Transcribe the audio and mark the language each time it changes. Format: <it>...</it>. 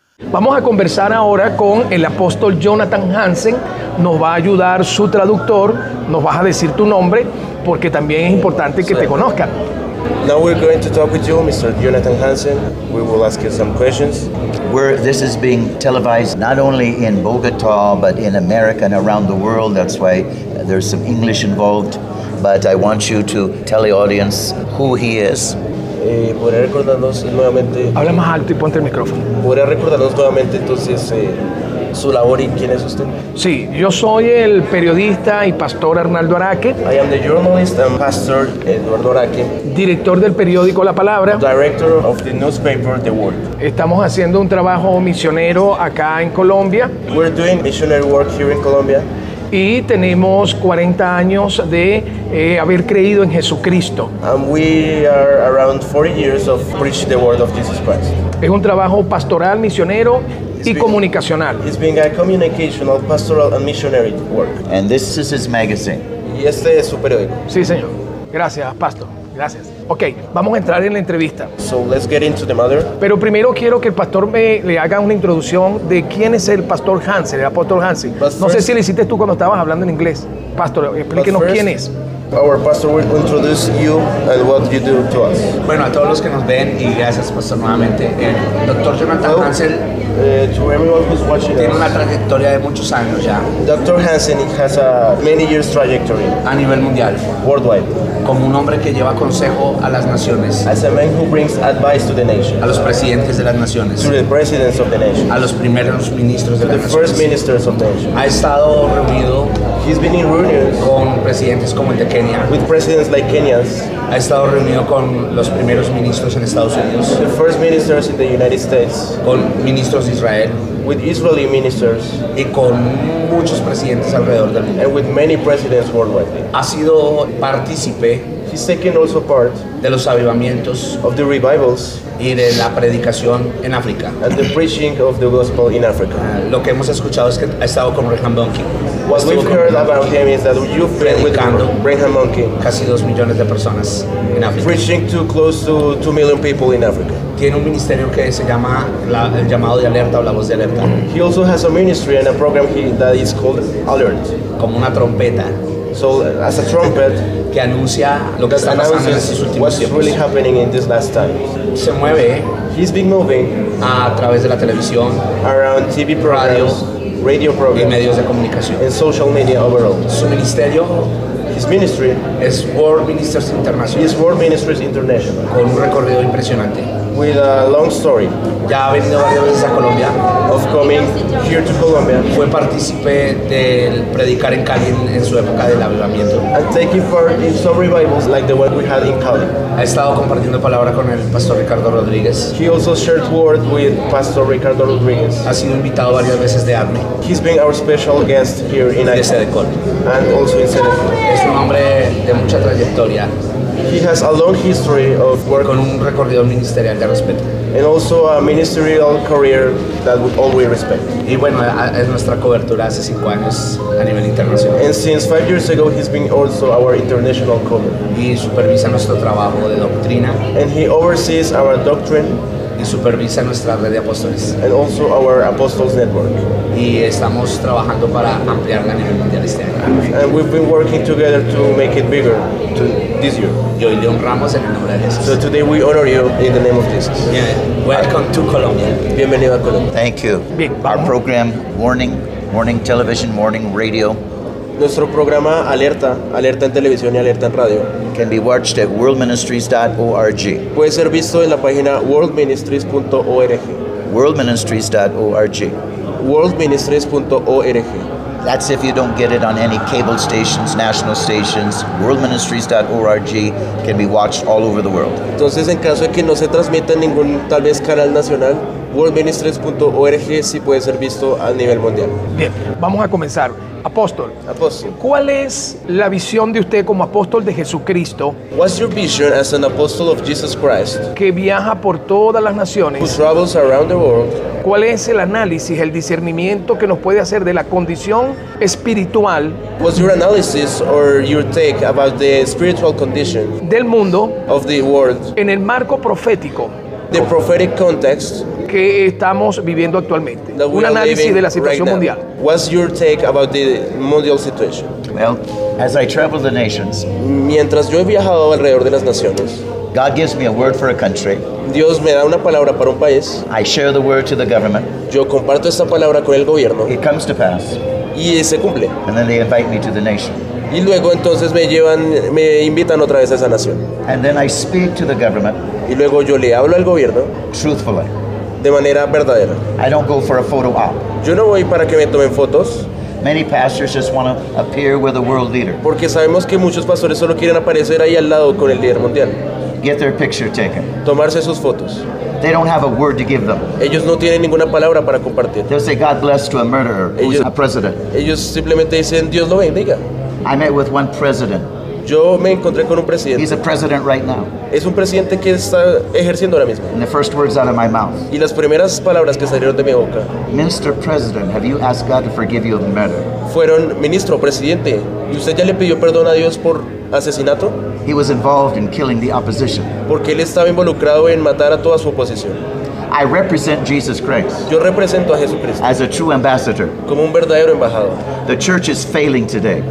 <es>Vamos a conversar ahora con el apóstol Jonathan Hansen. Nos va a ayudar su traductor. Nos vas a decir tu nombre, porque también es importante que te conozcan.</es> <en>Now we're going to talk with you, Mr. Jonathan Hansen. We will ask you some questions. This is being televised not only in Bogota, but in America and around the world. That's why there's some English involved. But I want you to tell the audience who he is.</en> <es>Podría recordarnos nuevamente. Habla más alto y ponte el micrófono. Podría recordarnos nuevamente entonces su labor y quién es usted. Sí, yo soy el periodista y pastor Arnaldo Araque.</es> <en>I am the journalist and pastor Eduardo Araque.</en> <es>Director del periódico La Palabra.</es> <en>Director of the newspaper The Word.</en> <es>Estamos haciendo un trabajo misionero acá en Colombia.</es> <en>We're doing missionary work here in Colombia.</en> <es>Y tenemos 40 años de haber creído en Jesucristo.</es> <en>And we are around 40 years of preaching the word of Jesus Christ.</en> <es>Es un trabajo pastoral, misionero y comunicacional.</es> <en>It's been a communicational, pastoral and missionary work. And this is his magazine.</en> <es>Y este es su periódico. Sí, señor. Gracias, pastor. Gracias. Okay, vamos a entrar en la entrevista.</es> <en>So let's get into the matter.</en> <es>Pero primero quiero que el pastor le haga una introducción de quién es el pastor Hansen, el apóstol Hansen.</es> <en>First,</en> <es>no sé si lo hiciste tú cuando estabas hablando en inglés. Pastor, explíquenos</es> <en>first,</en> <es>quién es.</es> <en>Our pastor will introduce you and what you do to us.</en> <es>Bueno, a todos los que nos ven y gracias, pastor, nuevamente. El doctor Jonathan Hansen.</es> <en>To everyone who's watching.</en> <es>Tiene una trayectoria de muchos años ya.</es> <en>Dr. Hansen has a many years trajectory.</en> <es>A nivel mundial.</es> <en>Worldwide.</en> <es>Como un hombre que lleva consejo a las naciones.</es> <en>As a man who brings advice to the nation.</en> <es>A los presidentes de las naciones.</es> <en>To the presidents of the nation.</en> <es>A los primeros ministros de las naciones.</es> <en>The first ministers of the nation.</en> <es>Ha estado reunido.</es> <en>He's been in reunions.</en> <es>Con presidentes como el de Kenia.</es> <en>With presidents like Kenya's.</en> <es>Ha estado reunido con los primeros ministros en Estados Unidos.</es> <en>The first ministers in the United States.</en> <es>Con ministros de Israel.</es> <en>With Israeli ministers.</en> <es>Y con muchos presidentes alrededor del mundo.</es> <en>And with many presidents worldwide.</en> <es>Ha sido partícipe.</es> <en>He's taken also part.</en> <es>De los avivamientos.</es> <en>Of the revivals.</en> <es>Y de la predicación en África.</es> <en>And the preaching of the gospel in Africa.</en> <es>Lo que hemos escuchado es que ha estado con Brigham Young.</es> <en>What we've heard about him is that you've been</en> <es>predicando</es> <en>with Brigham Monkey.</en> <es>Casi 2 millones de personas en África.</es> <en>Preaching to close to 2 million people in Africa.</en> <es>Tiene un ministerio que se llama el llamado de alerta o la voz de alerta.</es> <en>He also has a ministry and a program that is called Alert.</en> <es>Como una trompeta.</es> <en>So as a trumpet.</en> <es>Que anuncia lo que está pasando en estos últimos</es> <en>what's</en> <es>tiempos.</es> <en>Really happening in this last time.</en> <es>Se mueve.</es> <en>He's been moving.</en> <es>A través de la televisión.</es> <en>Around TV programs.</en> <es>Radio.</es> <en>Radio programs</en> <es>y medios de comunicación.</es> <en>And social media overall.</en> <es>Su ministerio,</es> <en>his ministry,</en> <es>es World Ministers International.</es> <en>Is World Ministries International.</en> <es>Con un recorrido impresionante.</es> <en>With a long story.</en> <es>Ya ha venido varias veces a Colombia.</es> <en>Of coming here to Colombia.</en> <es>Fue partícipe del predicar en Cali en su época del avivamiento.</es> <en>And taking part in some revivals like the one we had in Cali.</en> <es>Ha estado compartiendo palabra con el pastor Ricardo Rodríguez.</es> <en>He also shared word with Pastor Ricardo Rodríguez.</en> <es>Ha sido invitado varias veces de ACME.</es> <en>He's been our special guest here in Sedecol. And also in Sedecol.</en> <es>Es un hombre de mucha trayectoria.</es> <en>He has a long history of work</en> <es>con un recorrido ministerial de respeto.</es> <en>And also a ministerial career that we all we respect.</en> <es>Y bueno, es nuestra cobertura hace 5 años a nivel internacional.</es> <en>And since 5 years ago, he's been also our international cover.</en> <es>Y supervisa nuestro trabajo de doctrina.</es> <en>And he oversees our doctrine.</en> <es>Y supervisa nuestra red de apóstoles.</es> <en>And also our apostles network.</en> <es>Y estamos trabajando para ampliarla a nivel mundial este año.</es> <en>And we've been working together to make it bigger to this year.</en> <es>Y hoy le honramos en el nombre de Jesús.</es> <en>So today we honor you in the name of Jesus. Yeah. Welcome to Colombia.</en> <es>Bienvenido a Colombia.</es> <en>Thank you. Our program, Warning, Warning Television, Warning Radio.</en> <es>Nuestro programa Alerta, Alerta en Televisión y Alerta en Radio.</es> <en>Can be watched at worldministries.org.</en> <es>Puede ser visto en la página worldministries.org.</es> <en>Worldministries.org.</en> <es>Worldministries.org.</es> <en>That's if you don't get it on any cable stations, national stations. Worldministries.org can be watched all over the world.</en> <es>Entonces, en caso de que no se transmita ningún tal vez canal nacional, Worldministries.org sí puede ser visto a nivel mundial. Bien, vamos a comenzar. Apóstol. Apóstol. ¿Cuál es la visión de usted como apóstol de Jesucristo?</es> <en>What's your vision as an apostle of Jesus Christ?</en> <es>Que viaja por todas las naciones.</es> <en>Who travels around the world.</en> <es>¿Cuál es el análisis, el discernimiento que nos puede hacer de la condición espiritual?</es> <en>What's your analysis or your take about the spiritual condition?</en> <es>Del mundo.</es> <en>Of the world.</en> <es>En el marco profético.</es> <en>The prophetic context.</en> <es>Que estamos viviendo actualmente. Un análisis de la situación mundial.</es> <en>What's your take about the mundial situation? Well, as I travel the nations,</en> <es>mientras yo he viajado alrededor de las naciones,</es> <en>God gives me a word for a country.</en> <es>Dios me da una palabra para un país.</es> <en>I share the word to the government.</en> <es>Yo comparto esta palabra con el gobierno.</es> <en>It comes to pass.</en> <es>Y se cumple.</es> <en>And then they invite me to the nation.</en> <es>Y luego entonces me invitan otra vez a esa nación.</es> <en>And then I speak to the government.</en> <es>Y luego yo le hablo al gobierno.</es> <en>Truthfully.</en> <es>De manera verdadera.</es> <en>I don't go for a photo op.</en> <es>Yo no voy para que me tomen fotos.</es> <en>Many pastors just want to appear with a world leader.</en> <es>Porque sabemos que muchos pastores solo quieren aparecer ahí al lado con el líder mundial.</es> <en>Get their picture taken.</en> <es>Tomarse sus fotos.</es> <en>They don't have a word to give them.</en> <es>Ellos no tienen ninguna palabra para compartir.</es> <en>They'll say God bless to a murderer who's a president.</en> <es>Ellos simplemente dicen Dios lo bendiga.</es> <en>I met with one president.</en> <es>Yo me encontré con un presidente.</es> <en>He's a president right now.</en> <es>Es un presidente que está ejerciendo ahora mismo.</es> <en>And the first words out of my mouth.</en> <es>Y las primeras palabras que salieron de mi boca.</es> <en>Mr. President, have you asked God to forgive you of murder?</en> <es>Fueron, ministro, presidente, ¿y usted ya le pidió perdón a Dios por asesinato?</es> <en>He was involved in killing the opposition.</en> <es>Porque él estaba involucrado en matar a toda su oposición.</es> <en>I represent Jesus Christ.</en> <es>Yo represento a Jesucristo.</es> <en>As a true ambassador.</en> <es>Como un verdadero embajador.</es> <en>The church is failing today.</en>